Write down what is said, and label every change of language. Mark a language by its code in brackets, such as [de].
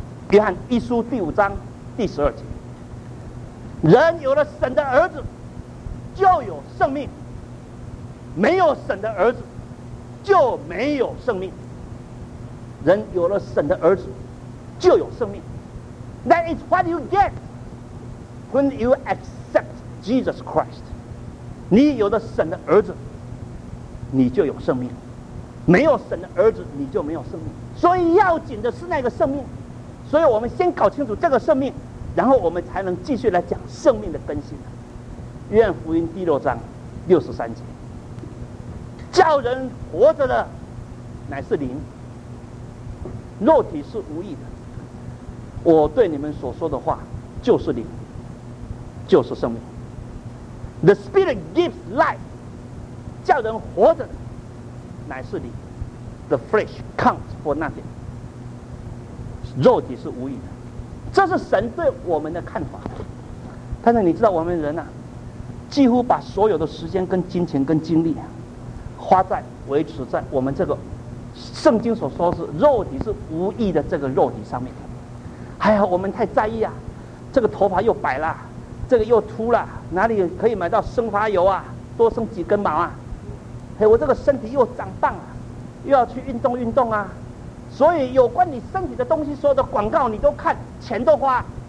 [zh] 约翰一书第五章第十二节，人有了神的儿子，就有生命。没有神的儿子就没有生命，人有了神的儿子就有生命。 [en] That is what you get when you accept Jesus Christ. [zh] 你有了神的儿子你就有生命，没有神的儿子你就没有生命。所以要紧的是那个生命，所以我们先搞清楚这个生命，然后我们才能继续来讲生命的更新。约翰福音第六章六十三节，叫人活着的乃是灵，肉体是无益的。我对你们所说的话就是灵，就是生命。 [en] The spirit gives life， [zh] 叫人活着的乃是灵。 [en] The flesh counts for nothing， [zh] 肉体是无益的。这是神对我们的看法。但是你知道我们人啊，几乎把所有的时间跟金钱跟精力啊花在维持在我们这个圣经所说是肉体是无益的这个肉体上面。哎呀，我们太在意啊，这个头发又白了，这个又秃了，哪里可以买到生发油啊，多生几根毛啊，哎，我这个身体又长棒啊，又要去运动运动啊，所以有关你身体的东西所有的广告你都看，钱都花。